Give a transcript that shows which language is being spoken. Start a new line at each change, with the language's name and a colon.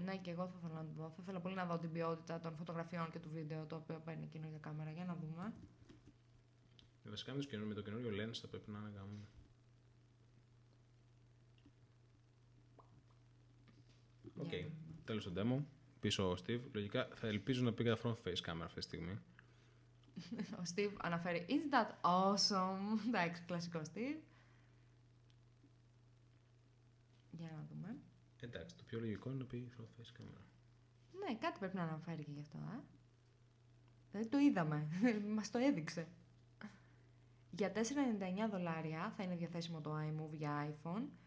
Greek: Ναι, και εγώ θα ήθελα να το δω. Θα ήθελα πολύ να δω την ποιότητα των φωτογραφιών και του βίντεο το οποίο παίρνει η καινούργια κάμερα. Για να δούμε. Βασικά με το καινούριο lens θα πρέπει να είναι γαμμένο. Οκ. Τέλος το demo. Πίσω ο Steve. Λογικά θα ελπίζω να πήγα front face camera αυτή τη στιγμή. Ο Steve αναφέρει
English: «Is that awesome?»
Greek: Εντάξει, κλασικό Steve. Για να δούμε. Εντάξει, το πιο λογικό είναι να πει front face camera. Ναι, κάτι πρέπει να αναφέρει και γι' αυτό, α. Δηλαδή το είδαμε. Μας το έδειξε. Για $4.99 θα είναι διαθέσιμο το iMovie για iPhone.